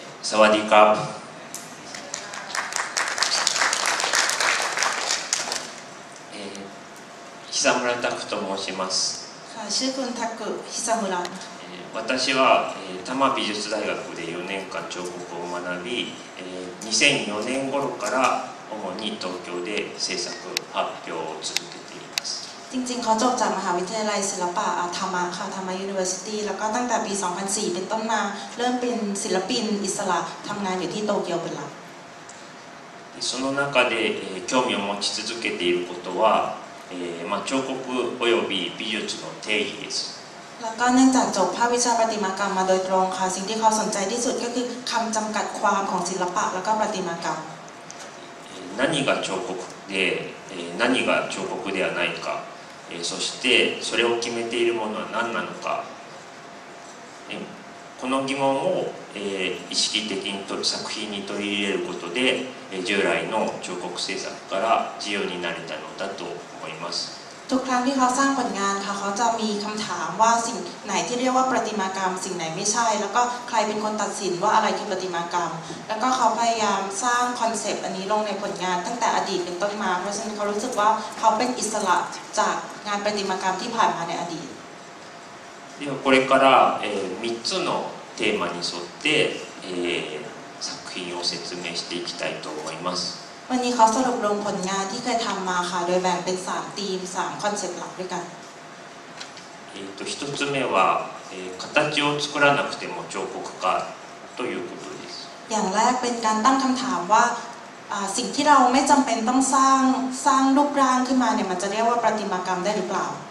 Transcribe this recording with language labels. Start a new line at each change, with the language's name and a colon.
Thai: สวัสดีครับ
Japanese: ひさむらたくと申します。しゅうくんたく、ひさむら。私は多摩美術大学で4年間彫刻を学び、2004年頃から主に東京で制作発表を続けています。
Thai: จริงๆเขาจบจากมหาวิทยาลัยศิลปะธรรมค่ะธรรมยูนิเวอร์ซิตี้แล้วก็ตั้งแต่ปี2004เป็นต้นมาเริ่มเป็นศิลปินอิสระทำงานอยู่ที่โตเกียวเป็นหลัก
Japanese: その中で興味を持ち続けていることは彫刻および美術の定義です。
Thai: แล้วก็เนื่องจากจบภาควิชาประติมากรรมมาโดยตรงค่ะสิ่งที่เขาสนใจที่สุดก็คือคำจำกัดความของศิลปะแล้วก็ประติมากรรม
Japanese: 何が彫刻で何が彫刻ではないかそしてそれを決めているものは何なのかこの疑問を意識的に作品に取り入れることで従来の彫刻制作から自由になれたのだと思います。
Thai: ทุกครั้งที่เขาสร้างผลงานค่ะเขาจะมีคำถามว่าสิ่งไหนที่เรียกว่าประติมากรรมสิ่งไหนไม่ใช่แล้วก็ใครเป็นคนตัดสินว่าอะไรคือประติมากรรมแล้วก็เขาพยายามสร้างคอนเซปต์อันนี้ลงในผลงานตั้งแต่อดีตเป็นต้นมาเพราะฉะนั้นเขารู้สึกว่าเขาเป็นอิสระจากงานประติมากรรมที่ผ่านมาในอดีต
Japanese: ではこれから3つのテーマに沿って作品を説明していきたいと思います。
Thai: วันนี้เขาสรุปรวมผลงานที่เคยทำมาค่ะโดยแบ่งเป็น3ธีม3คอนเซ็ปต์หลักด้วยกัน
Japanese: 1つ目は形を作らなくても彫刻家ということです。
Thai: อย่างแรกเป็นการตั้งคำถามว่าสิ่งที่เราไม่จำเป็นต้องสร้างรูปร่างขึ้นมาเนี่ยมันจะเรียกว่าประติมากรรมได้หรือเปล่า